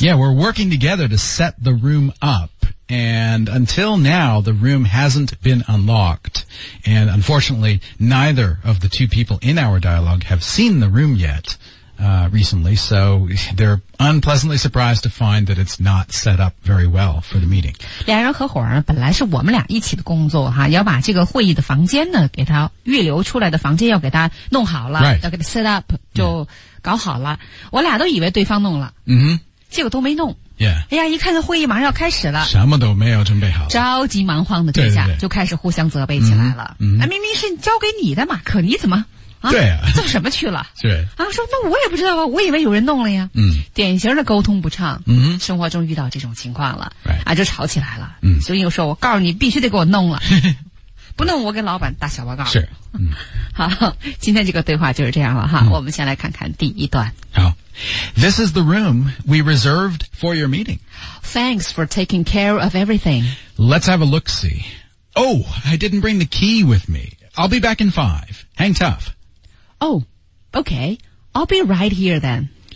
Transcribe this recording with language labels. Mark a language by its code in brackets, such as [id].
[en] Yeah, we're working together to set the room up and until now the room hasn't been unlocked and unfortunately neither of the two people in our dialogue have seen the room yet、recently so they're unpleasantly surprised to find that it's not set up very well for the meeting. [zh] 两人合伙呢本来是我们俩一起的工作哈，要把这个会议的房间呢给他预留出来的房间要给他弄好了、 [en] right. [zh] 要给他 set up 就搞好了、我俩都以为对方弄了、结果都没弄、哎呀一看这会议马上要开始了，什么都没有准备好，着急忙慌的这下就开始互相责备起来了、明明是交给你的嘛，可你怎么对啊，做什么去了？对啊，说那我也不知道啊，我以为有人弄了呀。嗯，典型的沟通不畅。嗯，生活中遇到这种情况了， [en] right. [zh] 啊，就吵起来了。嗯，所以又说，我告诉你，必须得给我弄了，不弄我给老板打小报告。是，好，今天这个对话就是这样了哈。我们先来看看第一段。 [en] 好 ，This is the room we reserved for your meeting. Thanks for taking care of everything. Let's have a look-see. Oh, I didn't bring the key with me. I'll be back in 5. Hang tough. Oh, okay. I'll be right here then.